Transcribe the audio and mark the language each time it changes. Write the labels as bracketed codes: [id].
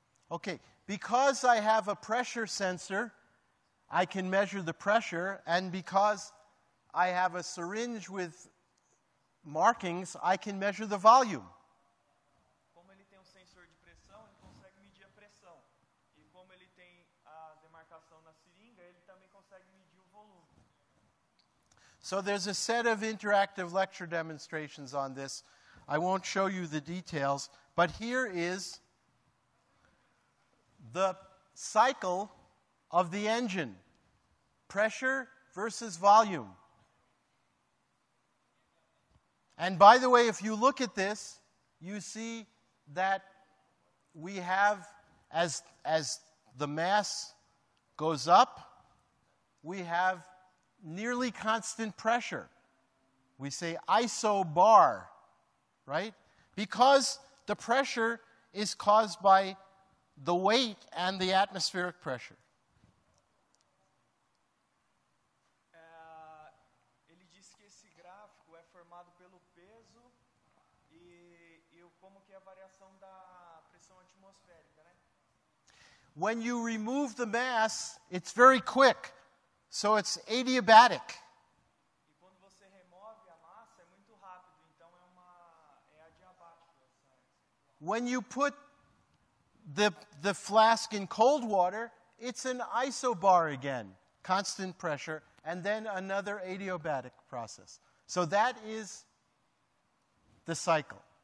[en] Okay, because I have a pressure sensor, I can measure the pressure, and because I have a syringe with markings, I can measure the volume. [pt] Como ele tem sensor de pressão, ele consegue medir a pressão. E como ele tem a demarcação na seringa, ele também consegue medir o volume. [en] So there's a set of interactive lecture demonstrations on this. I won't show you the details, but here is the cycle of the engine, pressure versus volume. And by the way, if you look at this, you see that we have, as the mass goes up, we have nearly constant pressure. We say isobar, right? Because the pressure is caused by the weight and the atmospheric pressure. [pt] Ele disse que esse gráfico é formado pelo peso e como que é a variação da pressão atmosférica, né? [en] When you remove the mass, it's very quick. So it's adiabatic. [pt] E quando você remove a massa, é muito rápido, então é adiabático. [en] When you put the flask in cold water, it's an isobar again, constant pressure, and then another adiabatic process. So that is the cycle.